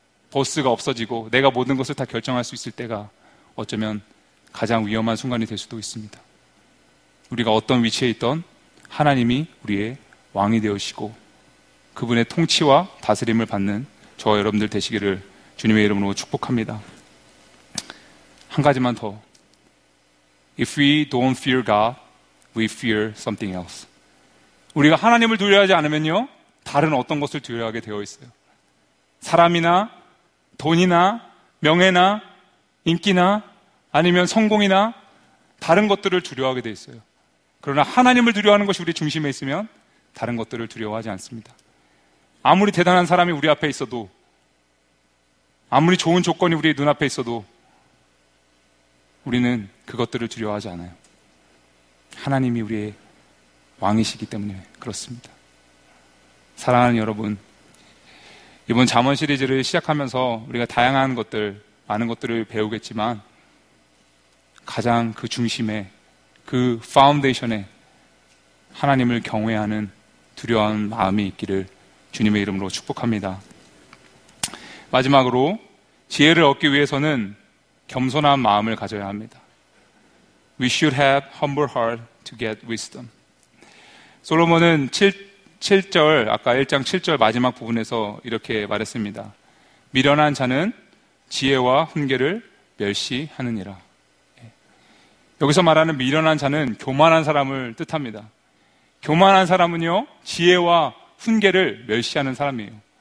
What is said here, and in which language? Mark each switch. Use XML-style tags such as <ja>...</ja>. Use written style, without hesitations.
<ko>보스가 없어지고 내가 모든 것을 다 결정할 수 있을 때가 어쩌면 가장 위험한 순간이 될 수도 있습니다. 우리가 어떤 위치에 있던 하나님이 우리의 왕이 되어시고 그분의 통치와 다스림을 받는 저와 여러분들 되시기를 주님의 이름으로 축복합니다. 한 가지만 더.</ko> <en>If we don't fear God, we fear something else.</en> <ko>우리가 하나님을 두려워하지 않으면요, 다른 어떤 것을 두려워하게 되어 있어요. 사람이나 돈이나 명예나 인기나 아니면 성공이나 다른 것들을 두려워하게 되어 있어요. 그러나 하나님을 두려워하는 것이 우리 중심에 있으면 다른 것들을 두려워하지 않습니다. 아무리 대단한 사람이 우리 앞에 있어도, 아무리 좋은 조건이 우리 눈앞에 있어도 우리는 그것들을 두려워하지 않아요. 하나님이 우리의 왕이시기 때문에 그렇습니다. 사랑하는 여러분, 이번 잠언 시리즈를 시작하면서 우리가 다양한 것들, 많은 것들을 배우겠지만 가장 그 중심에, 그 파운데이션에 하나님을 경외하는 두려운 마음이 있기를 주님의 이름으로 축복합니다. 마지막으로 지혜를 얻기 위해서는 겸손한 마음을 가져야 합니다.</ko> <en>We should have humble heart to get wisdom.</en> <ko>솔로몬은 7절, 아까 1장 7절 마지막 부분에서 이렇게 말했습니다. 미련한 자는 지혜와 훈계를 멸시하느니라. 여기서 말하는 미련한 자는 교만한 사람을 뜻합니다. 교만한 사람은요, 지혜와 훈계를 멸시하는 사람이에요.</ko>